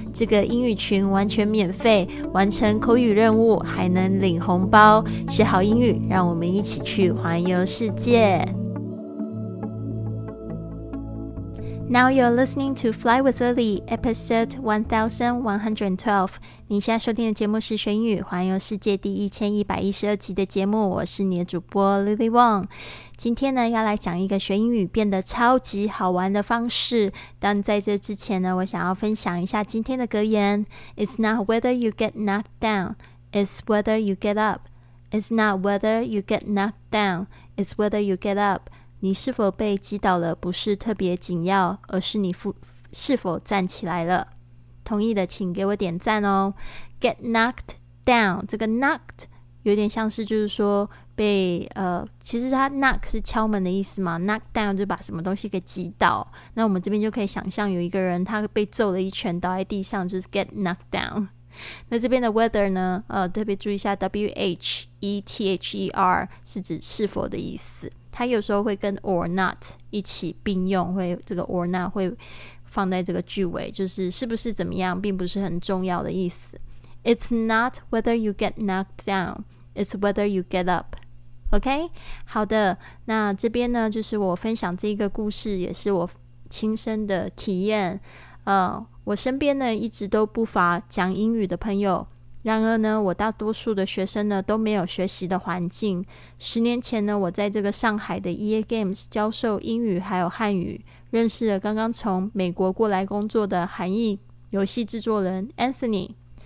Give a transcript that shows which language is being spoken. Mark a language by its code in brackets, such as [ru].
[zh] 这个英语群完全免费，完成口语任务还能领红包，学好英语，让我们一起去环游世界。 [en] Now you're listening to Fly with Lily, episode 1112. [zh] 你现在收听的节目是学英语环游世界第1112集的节目，我是你的主播 Lily Wong。今天呢要来讲一个学英语变得超级好玩的方式，但在这之前呢，我想要分享一下今天的格言。 [en] It's not whether you get knocked down, it's whether you get up. It's not whether you get knocked down, it's whether you get up. [zh] 你是否被击倒了不是特别紧要，而是你是否站起来了。同意的请给我点赞哦。Get knocked down， 这个 knocked 有点像是就是说被其实它 knock 是敲门的意思嘛， knock down 就把什么东西给击倒，那我们这边就可以想象有一个人他被揍了一拳倒在地上，就是 get knocked down。那这边的 weather 呢，特别注意一下 w-h-e-t-h-e-r 是指是否的意思，它有时候会跟 or not 一起并用，会这个 or not 会放在这个句尾，就是是不是怎么样并不是很重要的意思。 [en] It's not whether you get knocked down, it's whether you get up. OK? [zh] 好的，那这边呢就是我分享这个故事，也是我亲身的体验。我身边呢一直都不乏讲英语的朋友，然而呢我大多数的学生呢都没有学习的环境。十年前呢，我在这个上海的 EA Games 教授英语还有汉语，认识了刚刚从美国过来工作的韩裔游戏制作人 Anthony。